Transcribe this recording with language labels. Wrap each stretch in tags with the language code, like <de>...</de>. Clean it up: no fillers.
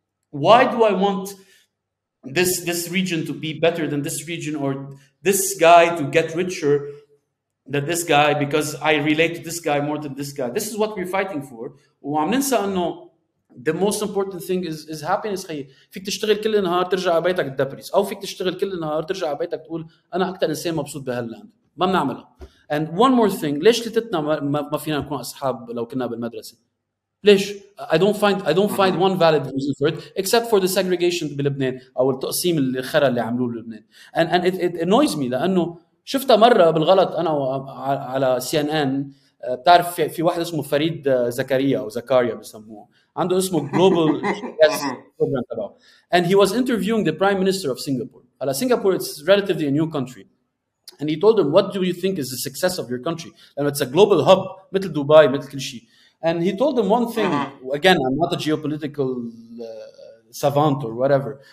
<en>Why do I want this region to be better than this region or this guy to get richer than this guy because I relate to this guy more than this guy? This is what we're fighting for.</en> <ar>وعم ننسى إنه</ar> <en>the most important thing is happiness.</en> <ar>خيي, فيك تشتغل كل النهار ترجع بيتك دبريس, أو فيك تشتغل كل النهار ترجع بيتك تقول أنا أكتر إنسان مبسوط بهالland. ما بنعمله.</ar> <en>And one more thing,</en> <ar>ليش تتنا ما فينا نكون أصحاب لو كنا بالمدرسة؟ ليش?</ar> <en>I don't find one valid reason for it, except for the segregation</en> <ar>بلبنان أو التقسيم الخرى اللي عملوه لبنان.</ar> <en>And it annoys me</en> <ar>لأنه شفتها مرة بالغلط أنا على CNN. بتعرف في واحد اسمه فريد زكريا أو زكاريا بسموه. عنده اسمه Global Program تبعه.</ar> <en>And he was interviewing the Prime Minister of Singapore. على Singapore it's relatively a new country. And he told him, what do you think is the success of your country? And it's a global hub, مثل Dubai,</en> <ar>مثل كل شيء.</ar> <en>And he told him one thing, again, I'm not a geopolitical savant or whatever.</en>